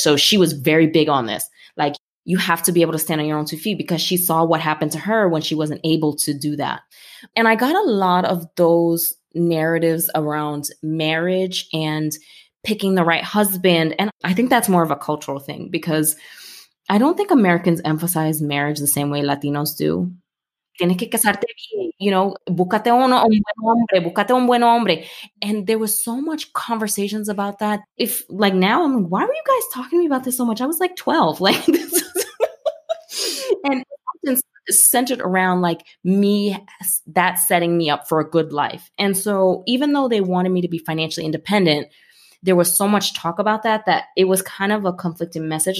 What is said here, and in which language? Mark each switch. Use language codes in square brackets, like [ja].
[en] So she was very big on this. Like, you have to be able to stand on your own 2 feet, because she saw what happened to her when she wasn't able to do that. And I got a lot of those narratives around marriage and picking the right husband. And I think that's more of a cultural thing, because I don't think Americans emphasize marriage the same way Latinos do. [es] Tienes que casarte bien, [en] you know, [es] búscate un buen hombre, búscate un buen hombre. [en] And there was so much conversations about that. If like now I'm like, why were you guys talking to me about this so much? I was like 12, like this is and it's centered around like me, that setting me up for a good life. And so even though they wanted me to be financially independent, there was so much talk about that, that it was kind of a conflicting message.